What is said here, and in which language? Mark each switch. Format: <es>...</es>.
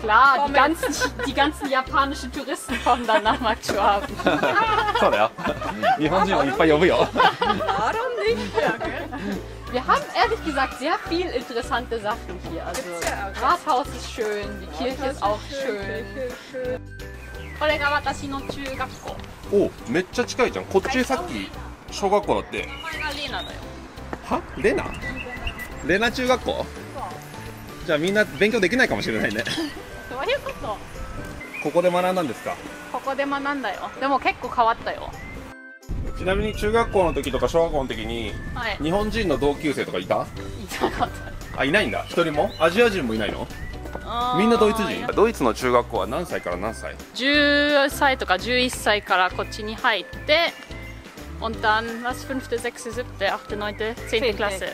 <de>Klar, die ganzen japanischen Touristen kommen dann nach Mark Schwaben. So, ja. Die Japaner haben viel Interesse. Warum nicht? Wir haben ehrlich gesagt sehr viel interessante Sachen hier. Also, Rathaus ist schön, die Kirche ist auch schön.</de> <ja>これが私の中学校。お、めっちゃ近いじゃん。こっちさっき。小学校だって。これがレナだよ。は？レナ？レナ中学校？じゃあみんな勉強できないかもしれないね。どういうこと？ここで学んだんですか？ここで学んだよ。でも結構変わったよ。ちなみに中学校の時とか小学校の時に、はい、日本人の同級生とかいた？いなかった。あ、いないんだ。一人も？アジア人もいないの？みんなドイツ人。ドイツの中学校は何歳から何歳？ 10歳とか11歳からこっちに入って。</ja> <de>Und dann was fünfte, sechste, siebte, achte, neunte, zehnte Klasse.</de>